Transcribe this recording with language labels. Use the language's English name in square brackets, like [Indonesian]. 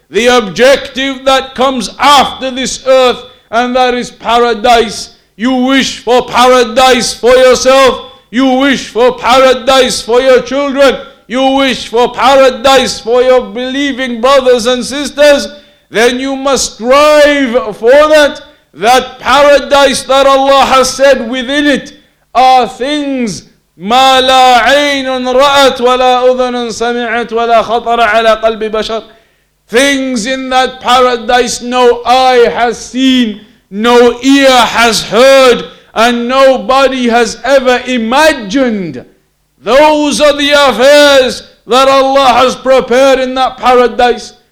[English] The objective that comes after this earth, and that is paradise. You wish for paradise for yourself. You wish for paradise for your children. You wish for paradise for your believing brothers and sisters. Then you must strive for that. That paradise that Allah has said within it are things [Arabic] مَا لَا عَيْنٌ رَأَتْ وَلَا أُذَنٌ سَمِعَتْ وَلَا خَطَرَ عَلَىٰ قَلْبِ بَشَرٍ. [English] Things in that paradise no eye has seen, no ear has heard, and nobody has ever imagined. Those are the affairs that Allah has prepared in that paradise.